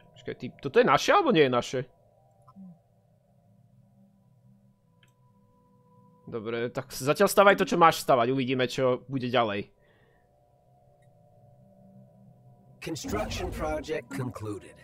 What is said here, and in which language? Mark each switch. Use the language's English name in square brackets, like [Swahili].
[Slovak] Počkaj, toto je naše alebo nie je naše? Dobre, tak zatiaľ stavaj to, čo máš stavať. Uvidíme, čo bude ďalej. [English] Construction project concluded.